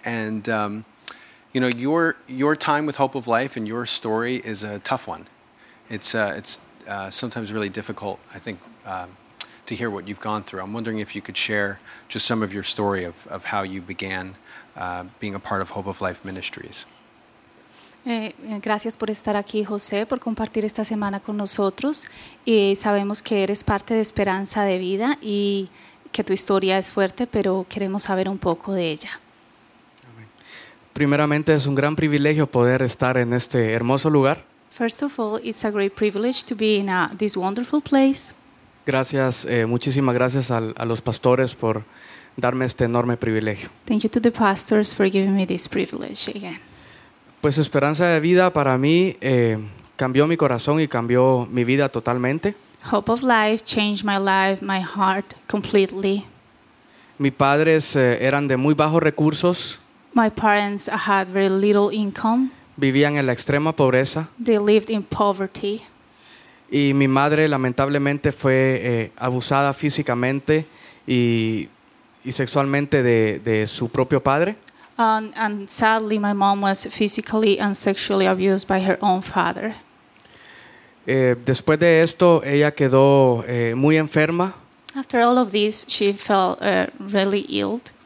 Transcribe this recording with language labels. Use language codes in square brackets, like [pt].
[en] And, you know, your time with Hope of Life and your story is a tough one. It's sometimes really difficult, I think, to hear what you've gone through. I'm wondering if you could share just some of your story of how you began being a part of Hope of Life Ministries. [es] Gracias por estar aquí, José, por compartir esta semana con nosotros. Y sabemos que eres parte de Esperanza de Vida y que tu historia es fuerte, pero queremos saber un poco de ella. Primeramente, es un gran privilegio poder estar en este hermoso lugar. [en] First of all, it's a great privilege to be in this wonderful place. [es] Gracias, muchísimas gracias a los pastores por darme este enorme privilegio. [en] Thank you to the pastors for giving me this privilege again. [es] Pues Esperanza de Vida para mí cambió mi corazón y cambió mi vida totalmente. [en] Hope of Life changed my life, my heart completely. [es] Mis padres eran de muy bajos recursos. [en] My parents had very little income. [es] Vivían en la extrema pobreza. [en] They lived in poverty. [es] Y mi madre lamentablemente fue abusada físicamente y sexualmente de su propio padre. [en] And sadly, my mom was physically and sexually abused by her own father. [es] Después de esto, ella quedó muy enferma. [en] After all of this, she felt really ill.